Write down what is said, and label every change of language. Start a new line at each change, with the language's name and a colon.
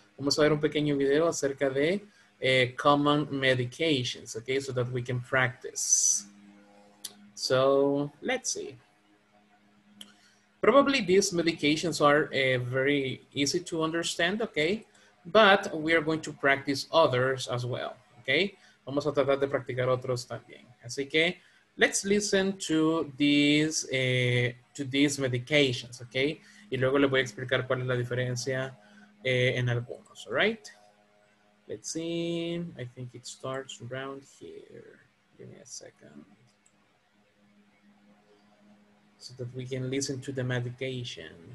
Spanish: Vamos a ver un pequeño video acerca de common medications, okay?
English: So that we can practice. So, let's see. Probably these medications are very easy to understand, okay? But we are going to practice others as well.
Spanish: Okay, vamos a tratar de practicar otros también.
English: Así que, let's listen to these medications, okay?
Spanish: Y luego les voy a explicar cuál es la diferencia en algunos, all right?
English: Let's see, I think it starts around here. Give me a second. So that we can listen to the medication.